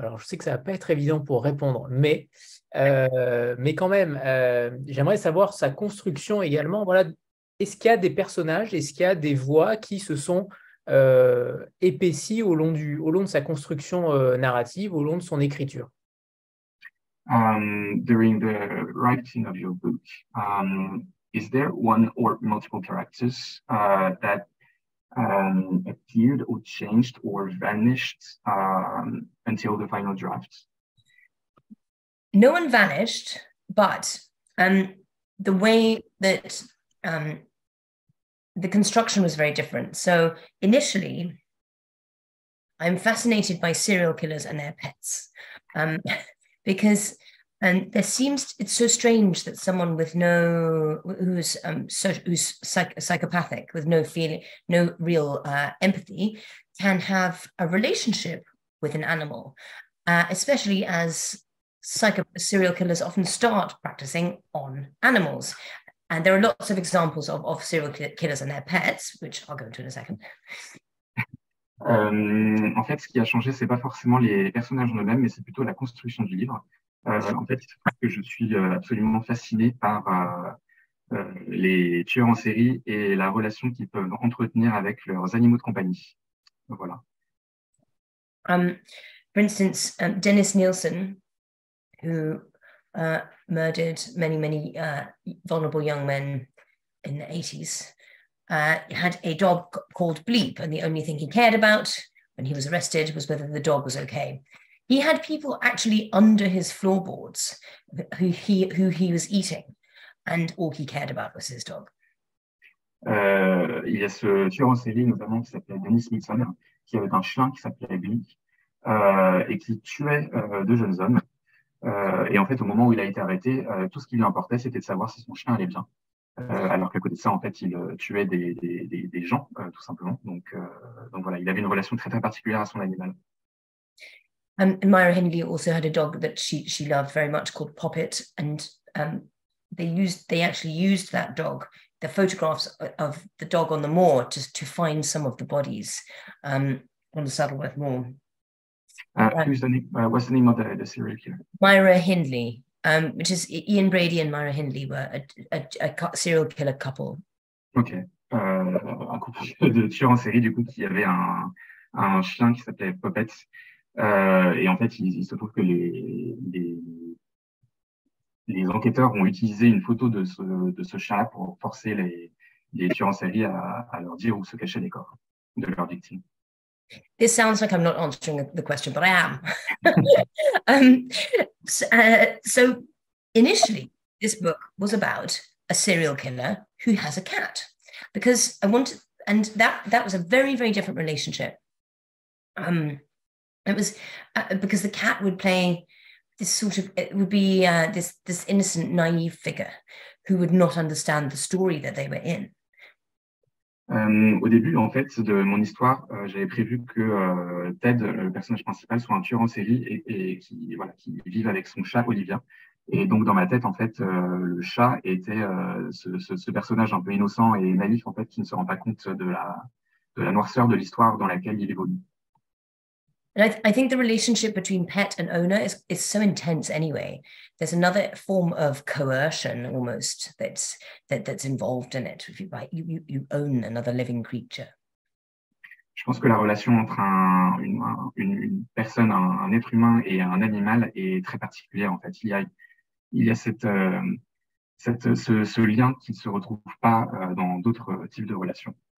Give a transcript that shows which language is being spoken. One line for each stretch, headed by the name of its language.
French: Alors, je sais que ça ne va pas être évident pour répondre, mais quand même, j'aimerais savoir sa construction également. Voilà, est-ce qu'il y a des personnages, est-ce qu'il y a des voix qui se sont épaissies au long de sa construction narrative, au long de son écriture?
English: During the writing of your book, is there one or multiple characters that appeared or changed or vanished until the final draft? No one vanished, but the way that the construction was very different. So initially, I'm fascinated by serial killers and their pets. Because there seems, it's so strange that someone with no, who's psychopathic, with no feeling, no real empathy, can have a relationship with an animal, especially as serial killers often start practicing on animals. And there are lots of examples of serial killers and their pets, which I'll go into in a second.
French: En fait, ce qui a changé, c'est pas forcément les personnages en eux-mêmes, mais c'est plutôt la construction du livre. En fait, il se trouve que je suis absolument fasciné par les tueurs en série et la relation qu'ils peuvent entretenir avec leurs animaux de compagnie. Voilà.
English: For instance, Dennis Nielsen, who murdered many, many vulnerable young men in the 80s, had a dog called Bleep, and the only thing he cared about when he was arrested was whether the dog was okay. He had people actually under his floorboards who he was eating, and all he cared about was his dog.
French: Il y a ce tueur en série notamment qui s'appelait Dennis Nielsen, qui avait un chien qui s'appelait Bleak, et qui tuait deux jeunes hommes. Et en fait, au moment où il a été arrêté, tout ce qui lui importait, c'était de savoir si son chien allait bien. Alors qu'à côté de ça, en fait, il tuait des gens, tout simplement. Donc voilà, il avait une relation très, très particulière à son animal.
English: And Myra Hindley also had a dog that she loved very much called Poppet, and they actually used that dog, the photographs of the dog on the moor, just to find some of the bodies on the Saddleworth Moor. What's the name of the serial killer? Myra Hindley, which is Ian Brady and Myra Hindley were a serial killer couple. Okay.
French: Un couple de tueurs en série, du coup, qui avait un chien qui s'appelait Poppet. Et en fait, il se trouve que les enquêteurs ont utilisé une photo de ce chien-là pour forcer les tueurs en série à leur dire où se cachaient les corps de leurs victimes.
English: This sounds like I'm not answering the question, but I am. So initially, this book was about a serial killer who has a cat, because I wanted, and that was a very, very different relationship. It was because the cat would play this sort of, it would be this innocent, naive figure who would not understand the story that they were in.
French: Au début, en fait, de mon histoire, j'avais prévu que Ted, le personnage principal, soit un tueur en série et qui vive avec son chat Olivia. Et donc, dans ma tête, en fait, le chat était ce personnage un peu innocent et naïf, en fait, qui ne se rend pas compte de la noirceur de l'histoire dans laquelle il évolue.
English: I think the relationship between pet and owner is so intense anyway. There's another form of coercion almost that's involved in it. If you buy, you own another living creature.
French: Je pense que la relation entre une personne, un être humain et un animal est très particulière en fait. Il y a ce lien qui ne se retrouve pas dans d'autres types de relations.